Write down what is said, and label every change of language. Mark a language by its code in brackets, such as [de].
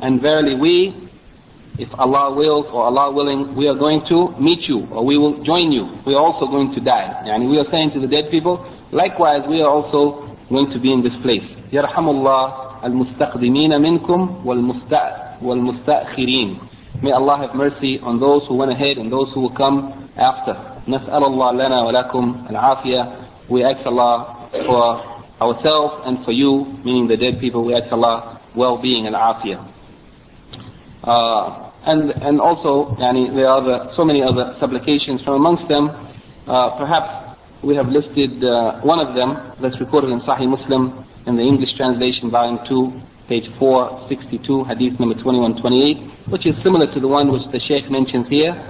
[en] And verily we, if Allah wills or Allah willing, we are going to meet you, or we will join you. We are also going to die. And we are saying to the dead people, likewise we are also going to be in this place. [ar] يَرْحَمُ اللَّهُ الْمُسْتَقْدِمِينَ مِنْكُمْ وَالْمُسْتَأْخِرِينَ. [en] May Allah have mercy on those who went ahead and those who will come after. [ar] نسأل الله لنا ولكم العافية. [en] We ask Allah for ourselves and for you, meaning the dead people. We ask Allah well-being and afia. And also, يعني, there are so many other supplications. From amongst them, perhaps we have listed one of them that's recorded in Sahih Muslim in the English translation, volume 2, page 462, hadith number 2128, which is similar to the one which the Shaykh mentions here.